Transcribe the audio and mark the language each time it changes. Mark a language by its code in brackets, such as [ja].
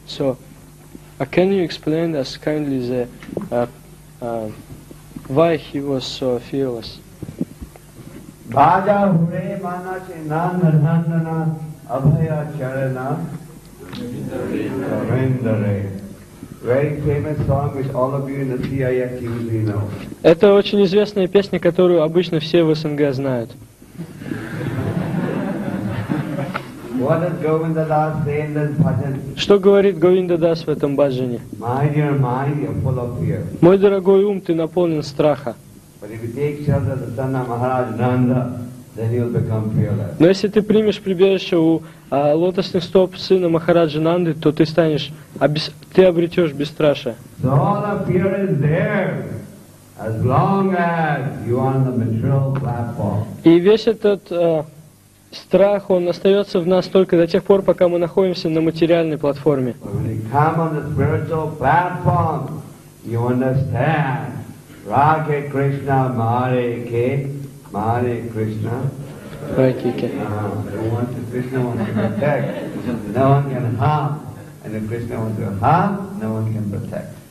[en] So can you explain us kindly the why he was so fearless? [bn] Bhaja hure mana che nanandana abhaya charana rendare. [en] Very famous song which all of you in the CIS usually know. [ru] Это очень известная песня, которую обычно все в СНГ знают. [en] What does Govinda Das say in this bhajan? [ru] Что говорит Говинда Дас в этом баджане? [en] My dear mind, you're full of fear. [ru] Мой дорогой ум, ты наполнен страха. [en] But if you take shelter of the Sanna Maharaj Nanda, then you'll become fearless. [ru] Но если ты примешь прибежище у лотосных стоп сына Махараджи Нанды, то ты ты обретешь бесстрашие. [en] So all the fear is there, as long as you are on the material platform. [ru] И весь этот страх, он остается в нас только до тех пор, пока мы находимся на материальной платформе. [en] When you come on the spiritual platform, you understand. Radhe Krishna, Hare Ke. Hare Krishna. Radhe Ke. Who wants to Krishna wants to protect. No one can harm. And if Krishna wants to harm, no one can protect.